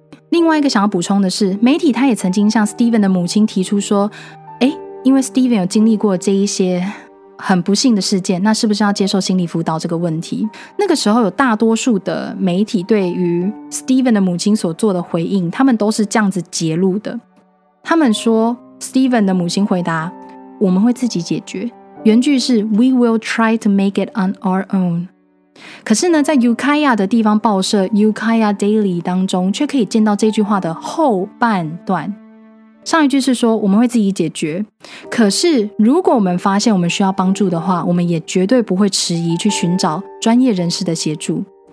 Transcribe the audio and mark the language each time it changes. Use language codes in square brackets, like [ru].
[zh] 另外一个想要补充的是，媒体他也曾经向 Steven 的母亲提出说，诶，因为 Steven 有经历过这一些很不幸的事件，那是不是要接受心理辅导这个问题。那个时候有大多数的媒体对于 Steven 的母亲所做的回应，他们都是这样子揭露的。他们说 Steven 的母亲回答，我们会自己解决，原句是 [en] We will try to make it on our own。 [zh] 可是呢，在 Ukiah 的地方报社 Ukiah Daily 当中，却可以见到这句话的后半段。上一句是说我们会自己解决，可是如果我们发现我们需要帮助的话，我们也绝对不会迟疑去寻找专业人士的协助。